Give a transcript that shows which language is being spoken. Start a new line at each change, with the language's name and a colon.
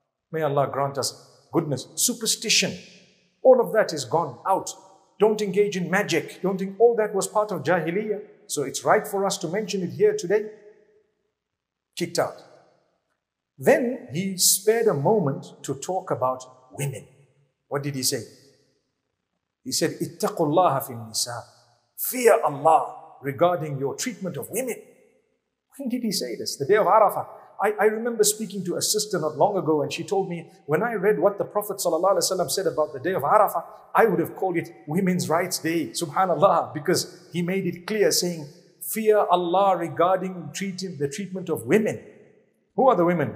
English: May Allah grant us goodness. Superstition, all of that is gone, out. Don't engage in magic. All that was part of Jahiliyyah. So it's right for us to mention it here today. Kicked out. Then he spared a moment to talk about women. What did he say? He said,
Arabic: اتقوا الله في النساء.
English: Fear Allah regarding your treatment of women. When did he say this? The day of Arafah. I remember speaking to a sister not long ago, and she told me, when I read what the Prophet ﷺ said about the day of Arafah, I would have called it Women's Rights Day, subhanAllah, because he made it clear saying, fear Allah regarding the treatment of women. Who are the women?